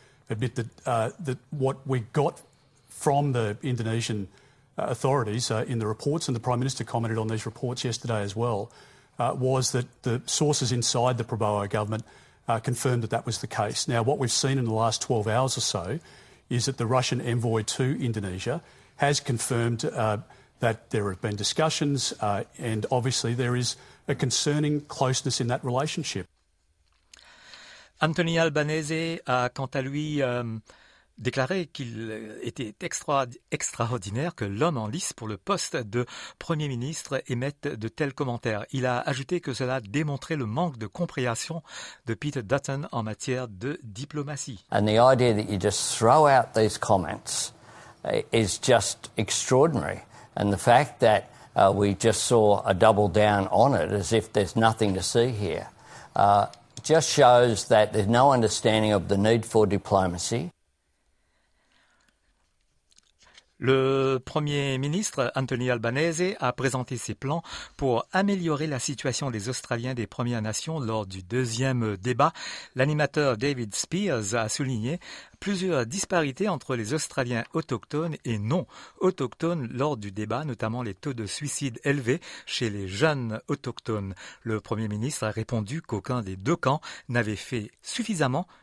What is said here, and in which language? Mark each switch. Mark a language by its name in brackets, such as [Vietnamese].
[English] Admit that that what we got from the Indonesian authorities in the reports, and the Prime Minister commented on these reports yesterday as well, was that the sources inside the Prabowo government confirmed that that was the case. Now, what we've seen in the last 12 hours or so is that the Russian envoy to Indonesia has confirmed that there have been discussions, and obviously there is a concerning closeness in that relationship. [French] Anthony Albanese a quant à lui déclaré qu'il était extraordinaire que l'homme en lice pour le poste de Premier ministre émette de tels commentaires. Il a ajouté que cela démontrait le manque de compréhension de Pete Dutton en matière de diplomatie. [English] And the idea that you just throw out these comments is just extraordinary. And the fact that we just saw a double down on it as if there's nothing to see here. Just shows that there's no understanding of the need for diplomacy. [French] Le Premier ministre Anthony Albanese a présenté ses plans pour améliorer la situation des Australiens des Premières Nations lors du deuxième débat. L'animateur David Spears a souligné plusieurs disparités entre les Australiens autochtones et non autochtones lors du débat, notamment les taux de suicide élevés chez les jeunes autochtones. Le Premier ministre a répondu qu'aucun des deux camps n'avait fait suffisamment